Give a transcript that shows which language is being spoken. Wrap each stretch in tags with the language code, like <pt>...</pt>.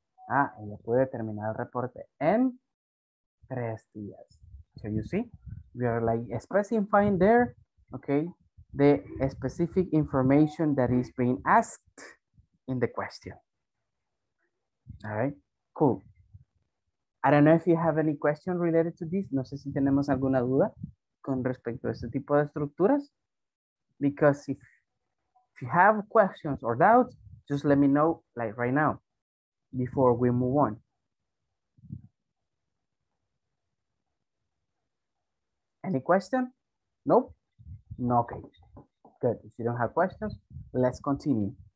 <es>Ah, ella puede terminar el reporte en 3 días.</es> <en>So you see, we are like specifying there, okay, the specific information that is being asked in the question. All right, cool. I don't know if you have any question related to this.</en> <es>No sé si tenemos alguna duda con respecto a este tipo de estructuras.</es> <en>Because if you have questions or doubts, just let me know like right now, before we move on. Any question? Nope? No, okay. Good, if you don't have questions, let's continue.</en>